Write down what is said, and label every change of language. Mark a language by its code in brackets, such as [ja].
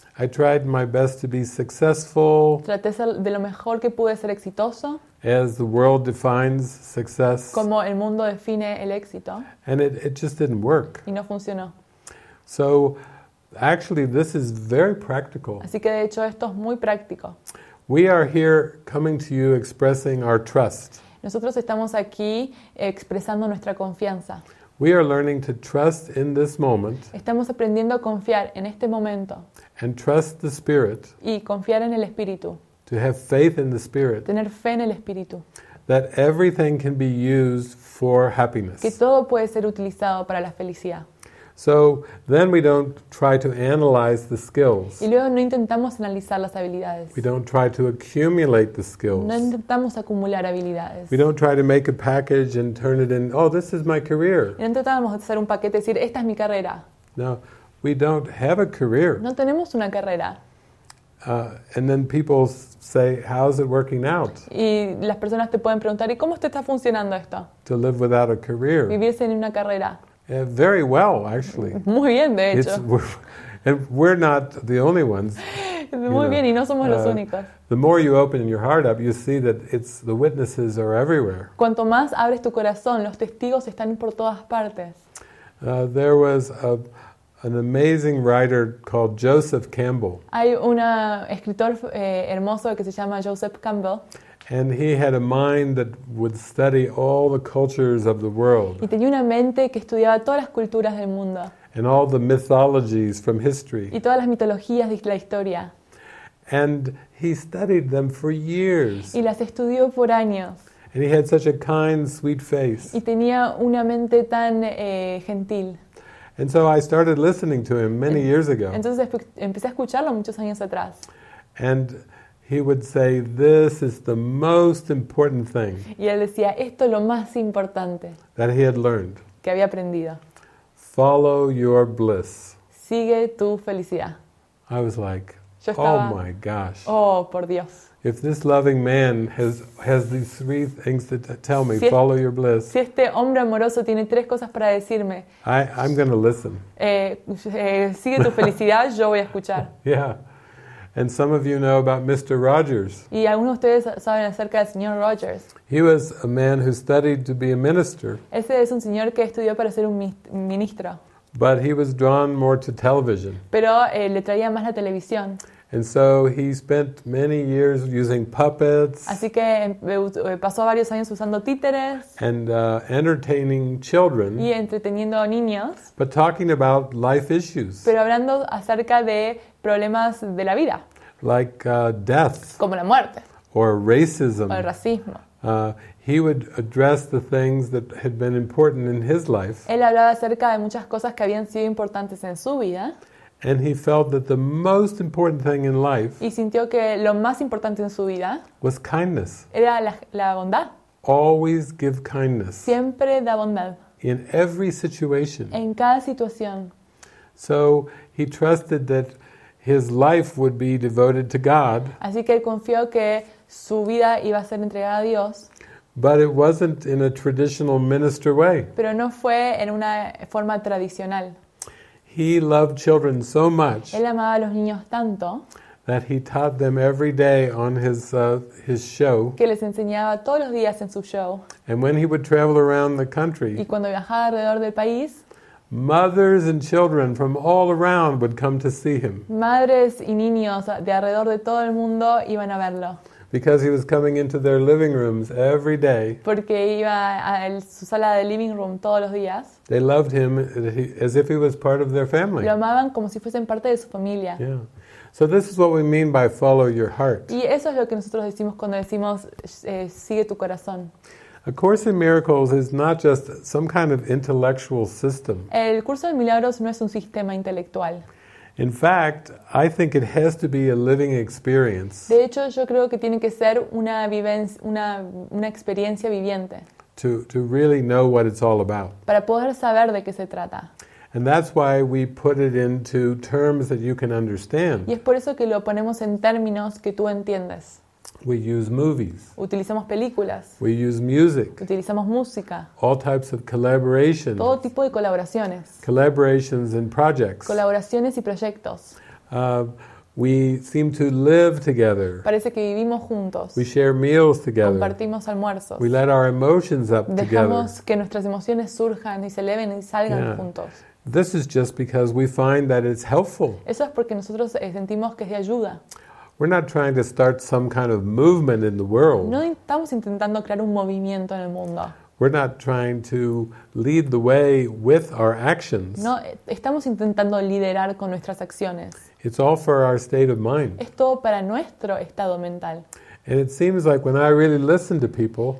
[en] I tried my best to be successful. [es] Traté de lo mejor que pude ser exitoso. [en] As the world defines success. [es] Como el mundo define el éxito. [en] And it just didn't work. [es] Y no funcionó. [en] So actually this is very practical. [es] Así que de hecho esto es muy práctico. [en] We are here coming to you expressing our trust. [es] Nosotros estamos aquí expresando nuestra confianza. [en] We are learning to trust in this moment. [es] Estamos aprendiendo a confiar en este momento. [en] And trust the Spirit. [es] Y confiar en el Espíritu. [en] To have faith in the Spirit. [es] Tener fe en el Espíritu. [en] That everything can be used for happiness. [es] Que todo puede ser utilizado para la felicidad. [en] So then we don't try to analyze the skills. [es] Y luego no intentamos analizar las habilidades. [en] We don't try to accumulate the skills. [es] No intentamos acumular habilidades. [en] We don't try to make a package and turn it in. Oh, this is my career. [es] Y no intentamos hacer un paquete y decir, esta es mi carrera. [en] No, we don't have a career. [es] No tenemos una carrera. [en] And then people say, how is it working out? [es] Y las personas te pueden preguntar, ¿y cómo te está funcionando esto? [en] To live without a career. [es] Vivir sin una carrera. [en] Very well, actually. [es] Muy bien, de hecho. [en] We're not the only ones. [es] Muy bien, y no somos los únicos. [en] The more you open your heart up, you see that it's the witnesses are everywhere. [es] Cuanto más abres tu corazón, los testigos están por todas partes. [en] There was an amazing writer called Joseph Campbell. [es] Hay un escritor hermoso que se llama Joseph Campbell. [en] And he had a mind that would study all the cultures of the world. [es] Y tenía una mente que estudiaba todas las culturas del mundo. [en] And all the mythologies from history. [es] Y todas las mitologías de la historia. [en] And he studied them for years. [es] Y las estudió por años. [en] And he had such a kind, sweet face. [es] Y tenía una mente tan gentil. [en] And so I started listening to him many years ago. [es] Entonces empecé a escucharlo muchos años atrás. [en] And he would say, this is the most important thing. [es] Y él decía, esto es lo más importante. [en] That he had learned. [es] Que había aprendido. [en] Follow your bliss. [es] Sigue tu felicidad. [en] I was like, oh my gosh. [es] Oh, por Dios. [en] If this loving man has these three things to tell me, si follow your bliss. [es] Si este hombre amoroso tiene tres cosas para decirme. [en] I'm going to listen. [es] Sigue tu felicidad, yo voy a escuchar. [en] Yeah. And some of you know about Mr. Rogers. [es] Y algunos de ustedes saben acerca del señor Rogers. [en] He was a man who studied to be a minister. [es] Ese es un señor que estudió para ser un ministro. [en] But he was drawn more to television. [es] Pero le traía más la televisión. [en] And so he spent many years using puppets. [es] Así que pasó varios años usando títeres. [en] And entertaining children. [es] Y entreteniendo niños. [en] But talking about life issues. [es] Pero hablando acerca de problemas de la vida. [en] Like death. [es] Como la muerte. [en] Or racism. [es] O el racismo. [en] He would address the things that had been important in his life. [es] Él hablaba acerca de muchas cosas que habían sido importantes en su vida. [en] And he felt that the most important thing in life. [es] Y sintió que lo más importante en su vida. [en] Was kindness. [es] Era la bondad. [en] Always give kindness. [es] Siempre da bondad. [en] In every situation. [es] En cada situación. [en] So he trusted that his life would be devoted to God. [es] Así que él confió que su vida iba a ser entregada a Dios. [en] But it wasn't in a traditional minister way. [es] Pero no fue en una forma tradicional. [en] He loved children so much. [es] Él amaba a los niños tanto. [en] That he taught them every day on his show. [es] Que les enseñaba todos los días en su show. [en] And when he would travel around the country. [es] Y cuando viajaba alrededor del país. [en] Mothers and children from all around would come to see him. [es] Madres y niños de alrededor de todo el mundo iban a verlo. [en] Because he was coming into their living rooms every day. [es] Porque iba a su sala de living room todos los días. [en] They loved him as if he was part of their family. [es] Lo amaban como si fuesen parte de su familia. [en] Yeah. So this is what we mean by follow your heart. [es] Y eso es lo que nosotros decimos cuando decimos sigue tu corazón. [en] A Course in Miracles is not just some kind of intellectual system. [es] El curso de milagros no es un sistema intelectual. [en] In fact, I think it has to be a living experience. [es] De hecho, yo creo que tiene que ser una experiencia viviente. [en] To really know what it's all about. [es] Para poder saber de qué se trata. [en] And that's why we put it into terms that you can understand. [es] Y es por eso que lo ponemos en términos que tú entiendes. [en] We use movies. [es] Utilizamos películas. [en] We use music. [es] Utilizamos música. [en] All types of collaborations. [es] Todo tipo de colaboraciones. [en] Collaborations and projects. [es] Colaboraciones y proyectos. [en] We seem to live together. [es] Parece que vivimos juntos. [en] We share meals together. [es] Compartimos almuerzos. [en] We let our emotions up together. [es] Dejamos que nuestras emociones surjan y se eleven y salgan [en] yeah. [es] juntos. [en] This is just because we find that it's helpful. [es] Eso es porque nosotros sentimos que es de ayuda. [en] We're not trying to start some kind of movement in the world. [es] No estamos intentando crear un movimiento en el mundo. [en] We're not trying to lead the way with our actions. [es] No estamos intentando liderar con nuestras acciones. [en] It's all for our state of mind. [es] Es todo para nuestro estado mental. [en] And it seems like when I really listen to people.